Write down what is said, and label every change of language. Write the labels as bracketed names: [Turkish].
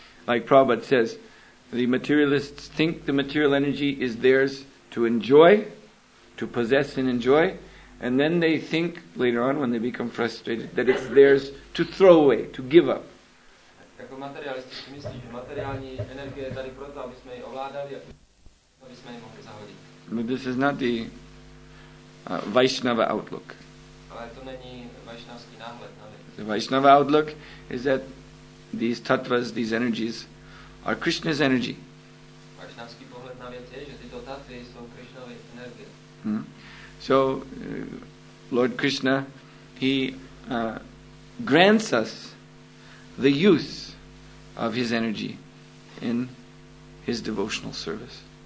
[English] Like Prabhupada says, the materialists think the material energy is theirs to enjoy, to possess and enjoy, and then they think later on when they become frustrated that it's theirs to throw away, to give up. [Czech] Jako materialisti si myslí, že materiální energie je tady proto, aby jsme ji ovládali a aby jsme ji mohli zahodit. [English] But this is not the Vaishnava outlook. [Czech] Ale to není vaishnavský náhled na věc. [English] The Vaishnava outlook is that these tattvas, these energies, are Krishna's energy. [Czech] Vaishnavský pohled na věc je, že tyto tattvy jsou Krishnovy energie. Hmm. [English] So, Lord Krishna, he grants us the use of his energy in his devotional service.